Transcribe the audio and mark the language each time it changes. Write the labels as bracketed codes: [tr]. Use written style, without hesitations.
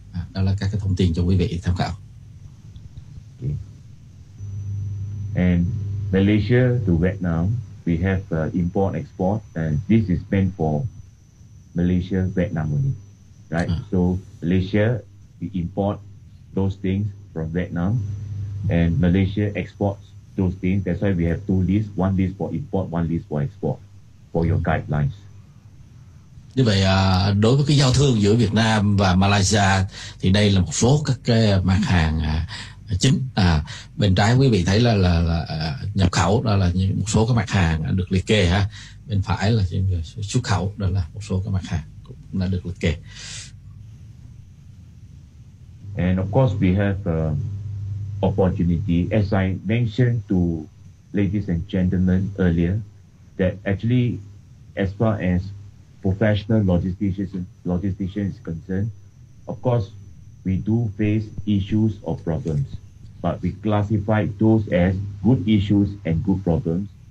[vi] Đó là các cái thông tin cho quý vị tham khảo. [en] And Malaysia to Vietnam, we have import export, and this is meant for Malaysia Vietnam only, right? So Malaysia, we import those things from Vietnam, and Malaysia exports those things. That's why we have two lists: one list for import, one list for export, for your guidelines. [vi] Như vậy đối với cái giao thương giữa Việt Nam và Malaysia thì đây là một số các cái mặt hàng chính. Bên trái quý vị thấy là nhập khẩu, đó là một số các mặt hàng được liệt kê ha. Bên phải là xuất khẩu, đó là một số các mặt hàng cũng đã được liệt kê. [en] And of course we have opportunity, as I mentioned to ladies and gentlemen earlier, that actually as far as professional logistician is concerned, of course we do face issues or problems, but we classify those as good issues and good problems.